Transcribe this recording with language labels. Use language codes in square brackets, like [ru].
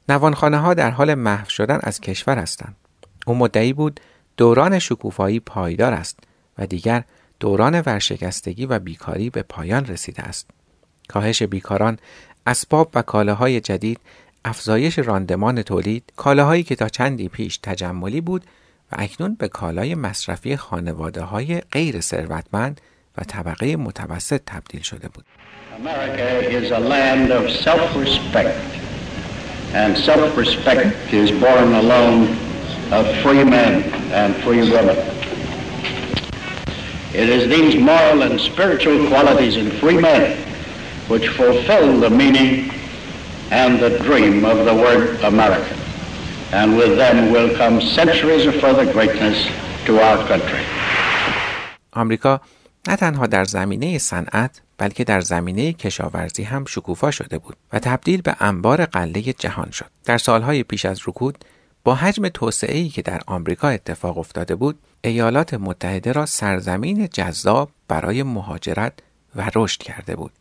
[fa] نوانخانه ها در حال محو شدن از کشور هستند. او مدعی بود دوران شکوفایی پایدار است و دیگر دوران ورشکستگی و بیکاری به پایان رسیده است. کاهش بیکاران، اسباب و کالاهای جدید، افزایش راندمان تولید، کالاهایی که تا چندی پیش تجملی بود و اکنون به کالای مصرفی خانواده های غیر ثروتمند و طبقه متوسط تبدیل شده بود. [en] America is a land of self-respect and self-respect is born alone of free men and free women. It is these moral and spiritual qualities in free men which fulfill the meaning and the dream of the word America. And with them will come centuries of further greatness to our country. [fa] آمریکا نه تنها در زمینه صنعت بلکه در زمینه کشاورزی هم شکوفا شده بود و تبدیل به انبار غله جهان شد. در سالهای پیش از رکود با حجم توسعه‌ای که در آمریکا اتفاق افتاده بود، ایالات متحده را سرزمین جذاب برای مهاجرت و رشد کرده بود.